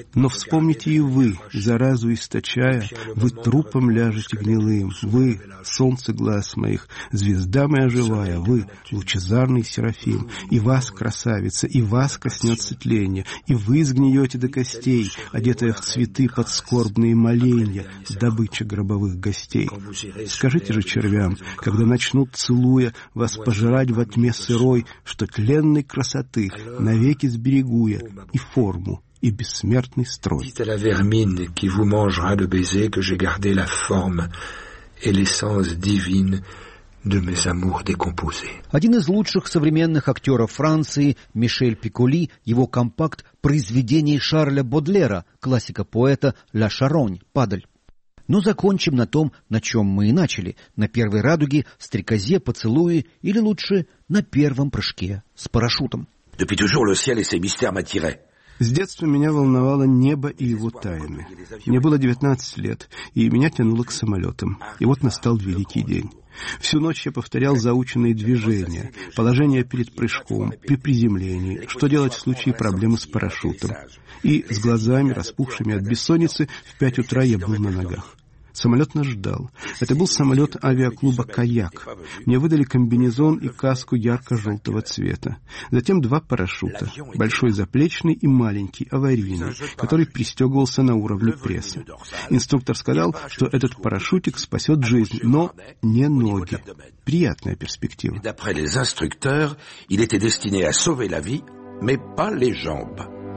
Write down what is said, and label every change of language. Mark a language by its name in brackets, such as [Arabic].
[Russian] Но вспомните и вы, заразу источая, вы трупом ляжете гнилым, вы, солнце глаз моих, звезда моя живая, вы, лучезарный серафим, и вас, красавица, и вас коснется тление, и вы сгниете до костей, одетая в цветы под скорбные моления, добыча гробовых гостей. Скажите же червям, когда начнут, целуя, вас пожирать во тьме сырой, что тленной красоты навеки сберегу я и форму, и бессмертный строй. [French] Dites à la vermine qui vous mangera le baiser que j'ai gardé la forme et l'essence divine de mes amours décomposés. [Russian] Один из лучших современных актеров Франции, Мишель Пиколи, его компакт – произведение Шарля Бодлера, классика поэта «Ля Шаронь», «Падаль». Но закончим на том, на чем мы и начали, на первой радуге, стрекозе, поцелуе или лучше на первом прыжке с парашютом. [French] Depuis toujours le ciel et ses mystères m'attiraient. [Russian] С детства меня волновало небо и его тайны. Мне было 19 лет, и меня тянуло к самолетам. И вот настал великий день. Всю ночь я повторял заученные движения, положение перед прыжком, при приземлении, что делать в случае проблемы с парашютом. И с глазами, распухшими от бессонницы, в 5 утра я был на ногах. Самолет нас ждал. Это был самолет авиаклуба «Каяк». Мне выдали комбинезон и каску ярко-желтого цвета. Затем два парашюта. Большой заплечный и маленький, аварийный, который пристегивался на уровне пресса. Инструктор сказал, что этот парашютик спасет жизнь, но не ноги. Приятная перспектива. [French] D'après les instructeurs, il était destiné à sauver la vie, mais pas les jambes.